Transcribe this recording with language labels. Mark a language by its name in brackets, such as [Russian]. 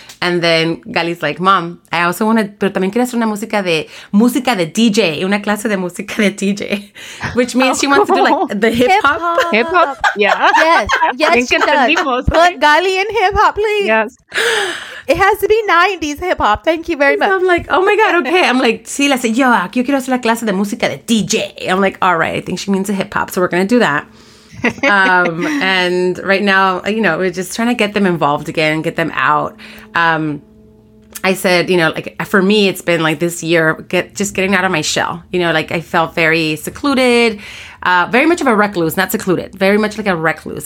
[English] And then Gali's like, Mom, I also want to, [Spanish] pero también quiero hacer una música de DJ, [English] una clase de música de DJ, which means she wants to do like the hip-hop. Hip-hop, yeah. Yes, yes, she does. Put Gali in hip-hop, please. Yes. It has to be 90s hip-hop. Thank you very much. So I'm like, oh my God, okay. I'm like, [Spanish] sí, la say, yo, yo quiero hacer la clase de música de DJ. [English] I'm like, all right, I think she means a hip-hop, so we're going to do that. And right now, you know, we're just trying to get them involved again, get them out. I said, you know, like for me, it's been like this year, getting out of my shell. You know, like I felt very secluded, very much of a recluse, not secluded, very much like a recluse.